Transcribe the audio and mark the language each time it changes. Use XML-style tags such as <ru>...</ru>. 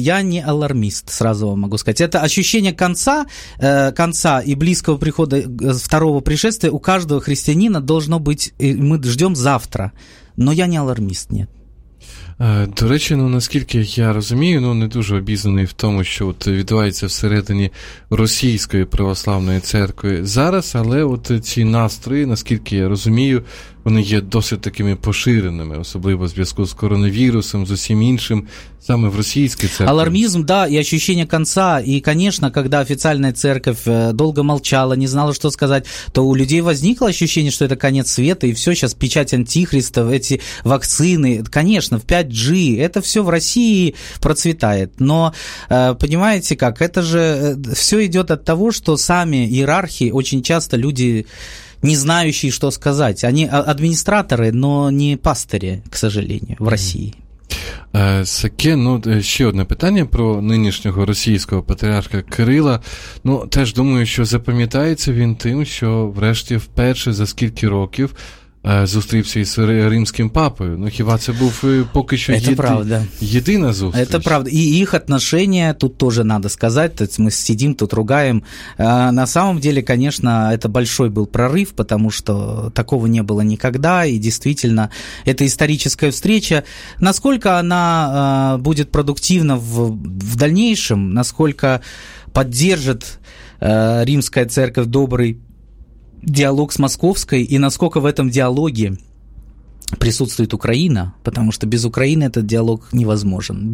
<ru>Я не алармист, сразу вам могу сказати.</ru> <uk>Це відчуття конца і близького приходу</uk> <ru>второго пришествия</ru> <uk>у кожного християнина должно бути, ми чекаємо завтра. Но я не алармист, ні. До речі, ну, наскільки я розумію, ну, не дуже обізнаний в тому, що от відбувається всередині російської православної церкви зараз, але от ці настрої, наскільки я розумію, вони є досить такими поширеними, особливо в зв'язку з коронавірусом, з усім іншим, саме в російській церкві. Алармізм, да, і відчуття кінця, і, звісно, коли офіційна церква довго мовчала, не знала, що сказати, то у людей возникло відчуття, що це кінець світу, і все, зараз печать антихриста, ці вакцини, звісно, в 5G, це все в Росії процвітає. Но, розумієте, як, це ж все йде від того, що самі ієрархи, дуже часто люди...</uk> <ru>не знающие, что сказать. Они администраторы, но не пастыри, к сожалению, в России.</ru> <uk>Саке, ну, ще одне питання про нинішнього російського патріарха Кирила. Ну, теж думаю, що запам'ятається він тим, що врешті вперше за скільки років зустрівся із римським папою. Ну, хіба це був поки що єдина зустріч?</uk> <ru>Это правда.</ru> <uk>І їх отношения, тут теж треба сказати, ми сидимо тут, ругаємо.</uk> <ru>На самом деле, конечно, это большой был прорыв, потому что такого не было никогда, и действительно, эта историческая встреча, насколько она будет продуктивна в дальнейшем, насколько поддержит римская церковь добрый диалог с Московской, и насколько в этом диалоге присутствует Украина, потому что без Украины этот диалог невозможен.</ru>